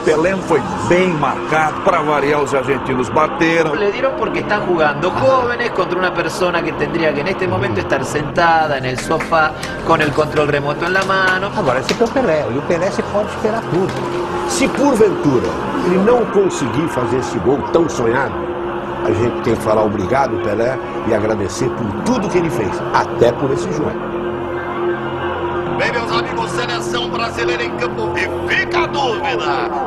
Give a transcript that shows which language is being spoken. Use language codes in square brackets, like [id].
[pt] Pelé foi bem marcado, para variar os argentinos bateram. [es] Le dieron porque están jugando jóvenes contra una persona que tendría que en este momento estar sentada en el sofá con el control remoto en la mano. [pt] Agora esse é o Pelé, e o Pelé se pode esperar tudo. Se porventura ele não conseguir fazer esse gol tão sonhado, a gente tem que falar obrigado Pelé e agradecer por tudo que ele fez, até por esse jogo. Bem, meus amigos, seleção brasileira em campo e fica a dúvida.